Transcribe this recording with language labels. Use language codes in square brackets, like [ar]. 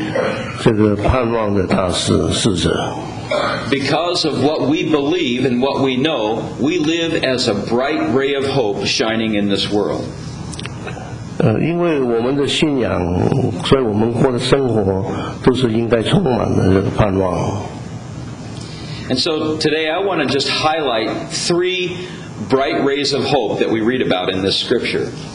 [zh] 我们作为神的儿女，我们要作为这个盼望的大使者。 [en] Because of what we believe and what we know, we live as a bright ray of hope shining in this world. [zh] 因为我们的信仰，所以我们过的生活都是应该充满了这个盼望。 [en] And so today I want to just highlight three bright rays of hope that we read about in this scripture.